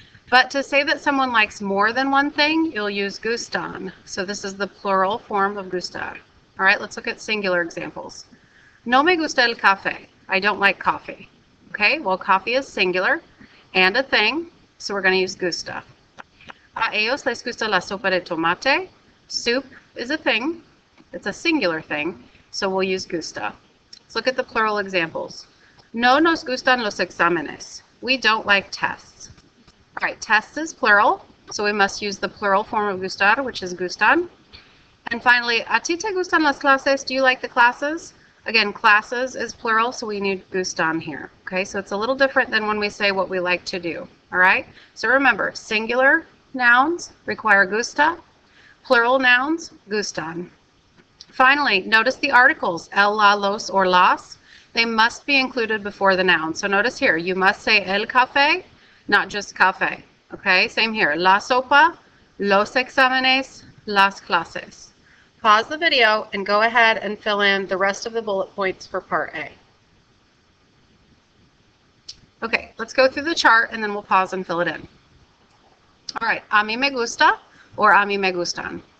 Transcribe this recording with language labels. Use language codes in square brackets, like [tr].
[en] But to say that someone likes more than one thing, you'll use gustan. So this is the plural form of gustar. All right, let's look at singular examples. [es] No me gusta el café. [en] I don't like coffee. Okay, well, coffee is singular and a thing, so we're going to use gusta. [es] A ellos les gusta la sopa de tomate. [en] Soup is a thing. It's a singular thing, so we'll use gusta. Let's look at the plural examples. [es] No nos gustan los exámenes. [en] We don't like tests. All right, tests is plural, so we must use the plural form of gustar, which is gustan. And finally, [es] ¿a ti te gustan las clases? [en] Do you like the classes? Again, classes is plural, so we need gustan here. Okay, so it's a little different than when we say what we like to do. All right, so remember, singular nouns require gusta, plural nouns, gustan. Finally, notice the articles, el, la, los, or las. They must be included before the noun. So notice here, you must say el café, not just café. Okay, same here. [es] La sopa, los exámenes, las clases. [en] Pause the video and go ahead and fill in the rest of the bullet points for part A. Okay, let's go through the chart and then we'll pause and fill it in. All right, [es] a mí me gusta or a mí me gustan.